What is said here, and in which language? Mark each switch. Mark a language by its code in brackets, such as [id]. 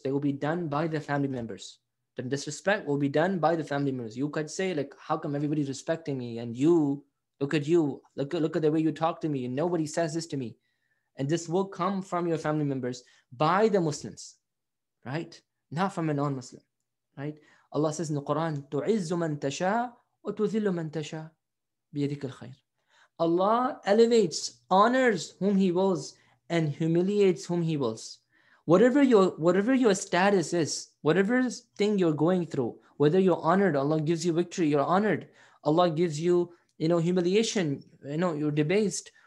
[en] They will be done by the family members. The disrespect will be done by the family members. You could say, like, how come everybody's respecting me? And you, look at you. Look at the way you talk to me. And nobody says this to me. And this will come from your family members by the Muslims, right? Not from a non-Muslim, right? Allah says in the Quran, [ar] تُعِزُّ مَن تَشَاءُ وَتُذِلُّ مَن تَشَاءُ بِيَدِكَ الْخَيْرِ. [en] Allah elevates, honors whom He wills, and humiliates whom He wills. Whatever your status is, whatever thing you're going through, whether you're honored, Allah gives you victory, you're honored. Allah gives you, you know, humiliation, you know, you're debased.